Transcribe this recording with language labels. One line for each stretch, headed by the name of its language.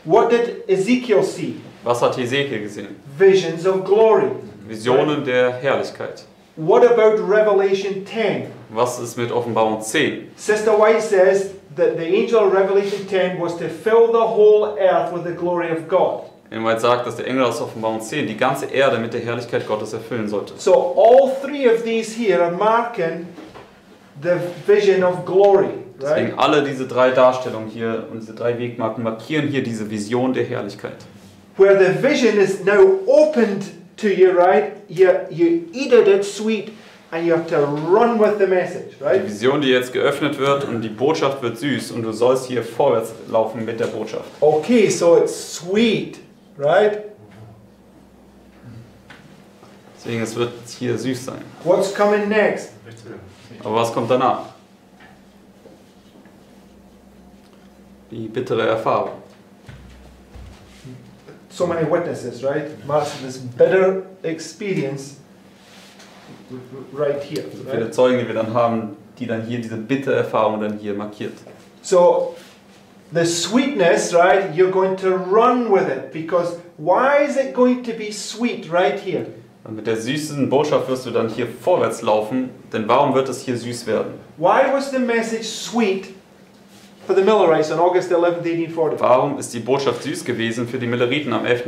English: What did Ezekiel see?
German: Was hat Ezekiel gesehen?
English: Visions of glory.
German: Visionen,
English: right,
German: der Herrlichkeit.
English: What about Revelation 10?
German: Was ist mit Offenbarung 10?
English: Sister White says that the angel of Revelation 10 was to fill the whole earth with the glory of God.
German: Ellen White sagt, dass der Engel aus Offenbarung 10 die ganze Erde mit der Herrlichkeit Gottes erfüllen sollte.
English: So all three of these here are marking the vision of glory, right?
German: Deswegen alle diese drei Darstellungen hier und diese drei Wegmarken markieren hier diese Vision der Herrlichkeit.
English: Where the vision is now opened to you, right? You eat it, it's sweet, and you have to run with the message, right?
German: Die Vision, die jetzt geöffnet wird und die Botschaft wird süß und du sollst hier vorwärts laufen mit der Botschaft.
English: Okay, so it's sweet, right?
German: Deswegen, es wird hier süß sein.
English: What's coming next?
German: Aber was kommt danach? Die bittere Erfahrung.
English: So many witnesses, right? Mark, this bitter experience right here.
German: So viele Zeugen, die wir dann haben, die dann hier diese bittere Erfahrung dann hier markiert.
English: So, the sweetness, right, you're going to run with it, because why is it going to be sweet right here?
German: Und mit der süßen Botschaft wirst du dann hier vorwärts laufen, denn warum wird es hier süß werden?
English: Why was the message sweet for the Millerites on August 11, 1840?
German: Warum ist die Botschaft süß gewesen für die Milleriten am 11.